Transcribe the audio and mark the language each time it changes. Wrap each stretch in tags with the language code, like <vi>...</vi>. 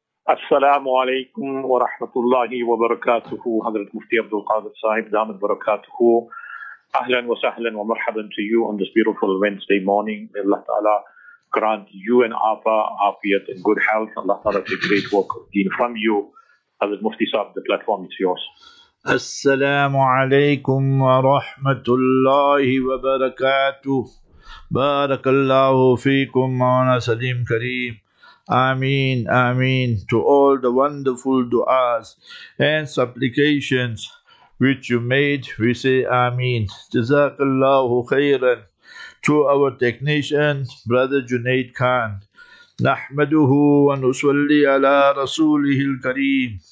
<ar>السلام عليكم ورحمة الله وبركاته. حضرة مفتي عبد القادر صاحب دام بركاته، أهلا وسهلا ومرحبا</ar> <en>to you on this beautiful Wednesday morning. May Allah Ta'ala grant you and Apa afiyat and good health. Allah Ta'ala take great work of deen from you. Hazrat Mufti Sahib, the platform is yours.</en> <ar>السلام عليكم ورحمة الله وبركاته. بارك الله فيكم مولانا سليم كريم.</ar> <en>Ameen, Ameen to all the wonderful du'as and supplications which you made. We say Ameen. Jazakallahu khairan to our technician, Brother Junaid Khan.</en> <ar>Nahmaduhu wa nusalli ala rasulihil kareem.</ar>